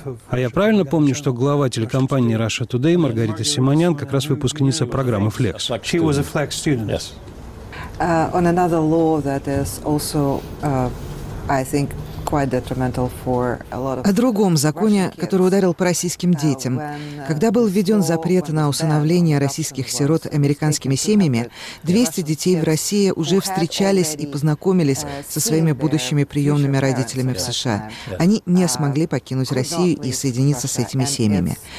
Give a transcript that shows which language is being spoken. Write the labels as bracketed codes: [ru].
[ru] А я правильно помню, что глава телекомпании Russia Today Маргарита Симонян как раз выпускница программы Flex? [en] She was a Flex student. Yes. On another law that is also, I think, quite detrimental for a lot of. [ru] О другом законе, который ударил по российским детям, когда был введен запрет на усыновление российских сирот американскими семьями, 200 детей в России уже встречались и познакомились со своими будущими приемными родителями в США. Они не смогли покинуть Россию и соединиться с этими семьями.